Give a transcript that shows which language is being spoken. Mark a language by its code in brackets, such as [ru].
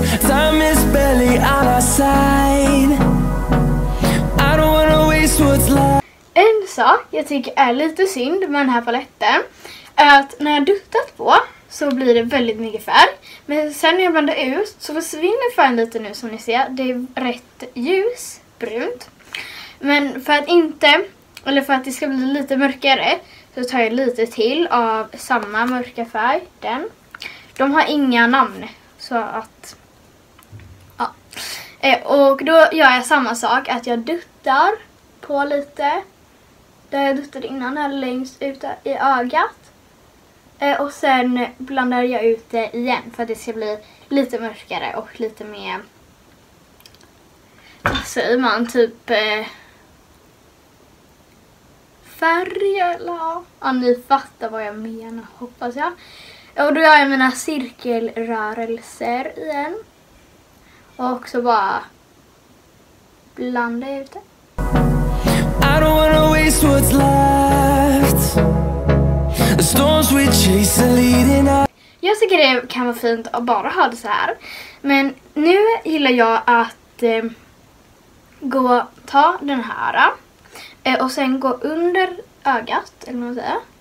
[en] Time is barely on our side. I don't wanna waste what's left. [sv] En sak jag tycker är lite synd med den här paletten är att när jag duttat på så blir det väldigt mycket färg. Men sen när jag blandar ut så försvinner färgen lite nu, som ni ser. Det är rätt ljus, brunt. Men för att inte, eller för att det ska bli lite mörkare, så tar jag lite till av samma mörka färg, den. De har inga namn, så att, ja. Och då gör jag samma sak, att jag duttar på lite. Där jag duttade innan, här längst ut i ögat. Och sen blandar jag ut det igen, för att det ska bli lite mörkare och lite mer, vad säger man, typ färg eller, ja, ni fattar vad jag menar, hoppas jag. Och då gör jag mina cirkelrörelser igen. Och så bara blandar jag ut det. [en] I don't wanna waste what's left. The storms we chase are leading up. [sv] Jag tycker det kan vara fint att bara ha det så här. Men nu gillar jag att gå ta den här. Och sen gå under ögat, eller vad man säger.